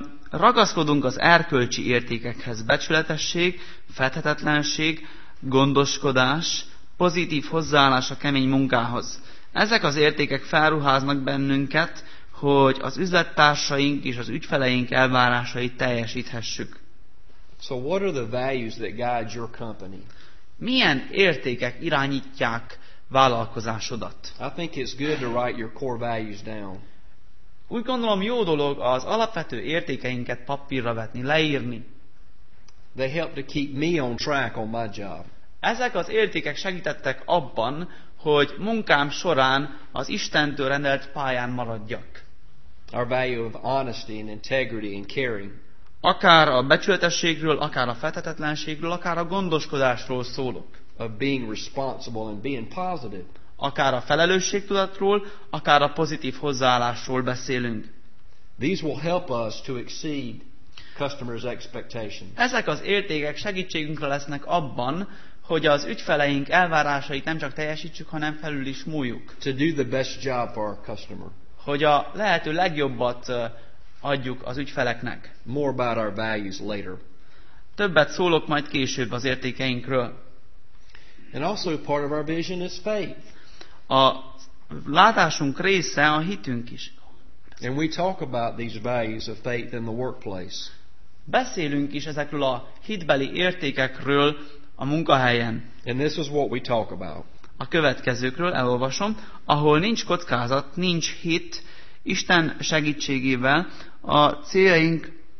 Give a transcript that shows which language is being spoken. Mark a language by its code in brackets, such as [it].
[hu] Ragaszkodunk az erkölcsi értékekhez: becsületesség, fethetetlenség, gondoskodás, pozitív hozzáállás a kemény munkához. Ezek az értékek felruháznak bennünket, hogy az üzlettársaink és az ügyfeleink elvárásait teljesíthessük. [en] So what are the values that guide your company? [hu] Milyen értékek irányítják vállalkozásodat? [en] I think it's good to write your core values down. [hu] Úgy gondolom, jó dolog az alapvető értékeinket papírra vetni, leírni. [en] They help to keep me on track on my job. [hu] Ezek az értékek segítettek abban, hogy munkám során az Istentől rendelt pályán maradjak. [en] Our value of honesty and integrity and caring. [hu] Akár a becsületességről, akár a fethetetlenségről, akár a gondoskodásról szólok. [en] Of being responsible and being positive. [hu] Akár a felelősségtudatról, akár a pozitív hozzáállásról beszélünk. [en] These will help us to exceed customers' expectations. [hu] Ezek az értékek segítségünkre lesznek abban, hogy az ügyfeleink elvárásait nem csak teljesítsük, hanem felül is múljuk. [en] To do the best job for our customer. [hu] Hogy a lehető legjobbat adjuk az ügyfeleknek. [en] More about our values later. [hu] Többet szólok majd később az értékeinkről. [en] And also part of our vision is faith. [hu] A látásunk része a hitünk is. [en] And we talk about these values of faith in the workplace. [hu] Beszélünk is ezekről a hitbeli értékekről a munkahelyen. [en] And this is what we talk about. [hu] A következőkről elolvasom: ahol nincs kockázat, nincs hit, Isten segítségével a céljaink.